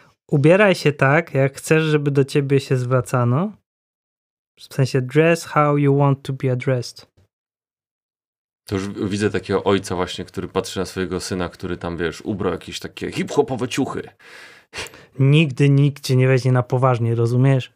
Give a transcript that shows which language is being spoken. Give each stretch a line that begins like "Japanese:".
Polish: Ubieraj się tak, jak chcesz, żeby do ciebie się zwracano. W sensie
English: dress how you want to be addressed.
Polish: To już widzę takiego ojca właśnie, który patrzy na swojego syna, który tam, wiesz, ubrał jakieś takie hip-hopowe ciuchy. Nigdy nikt cię nie weźmie na poważnie, rozumiesz?